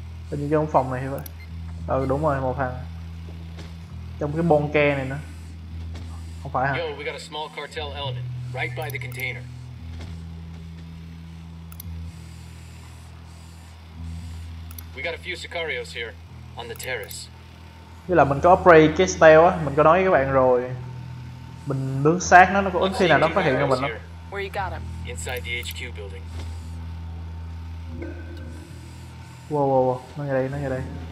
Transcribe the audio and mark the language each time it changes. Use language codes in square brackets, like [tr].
[vi] Hình như trong phòng này vậy. Ờ đúng rồi, một thằng trong cái bon ke này nữa. Không phải hả? [en] Yo, we got a small cartel element right by the container. We got a few sicarios here on the terrace. [vi] Như là mình có upgrade cái stealth á, mình có nói với các bạn rồi. mình bướng xác nó có ít khi nào nó phát hiện ra mình lắm. [en] Where you got him? Inside the HQ building. [vi] Whoa, nó ngay đây, nó ngay đây.